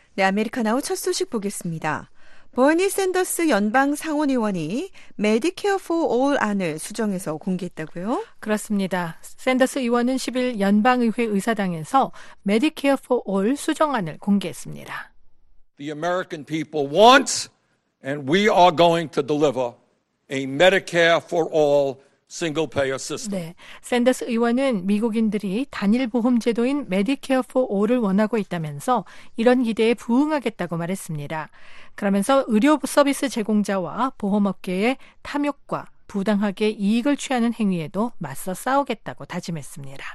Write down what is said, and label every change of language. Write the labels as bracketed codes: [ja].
[ko] 네, 아메리카 나우 첫 소식 보겠습니다. 버니 샌더스 연방 상원의원이 메디케어 포 올 안을 수정해서 공개했다고요? 그렇습니다. 샌더스 의원은 10일 연방의회 의사당에서 메디케어 포 올 수정안을 공개했습니다. [en] The American people want and we are going to deliver a Medicare for all single payer system. [ko] 네, 샌더스 의원은 미국인들이 단일 보험 제도인 메디케어 포 올을 원하고 있다면서 이런 기대에 부응하겠다고 말했습니다. 그러면서 의료 서비스 제공자와 보험업계의 탐욕과 부당하게 이익을 취하는 행위에도 맞서 싸우겠다고 다짐했습니다.